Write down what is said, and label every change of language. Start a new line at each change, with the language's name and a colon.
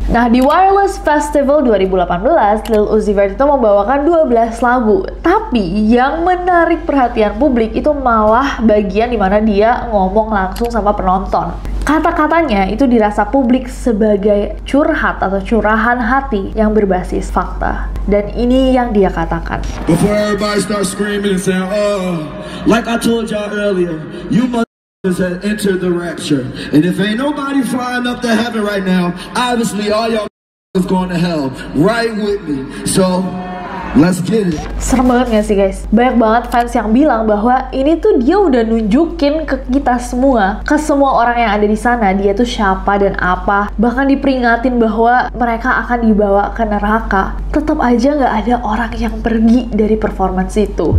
Indonesian: Nah, di Wireless Festival 2018, Lil Uzi Vert itu membawakan 12 lagu. Tapi, yang menarik perhatian publik itu malah bagian dimana dia ngomong langsung sama penonton. Kata-katanya itu dirasa publik sebagai curhat atau curahan hati yang berbasis fakta. Dan ini yang dia katakan.
English: Before everybody start screaming and saying, oh, like I told y'all earlier, you must that entered the rapture, and if ain't nobody flying up to heaven right now, obviously all y'all is going to hell right with me, so let's get it.
Indonesian: Serem banget gak sih guys? Banyak banget fans yang bilang bahwa ini tuh dia udah nunjukin ke kita semua, ke semua orang yang ada di sana, dia tuh siapa dan apa. Bahkan diperingatin bahwa mereka akan dibawa ke neraka. Tetap aja gak ada orang yang pergi dari performance itu.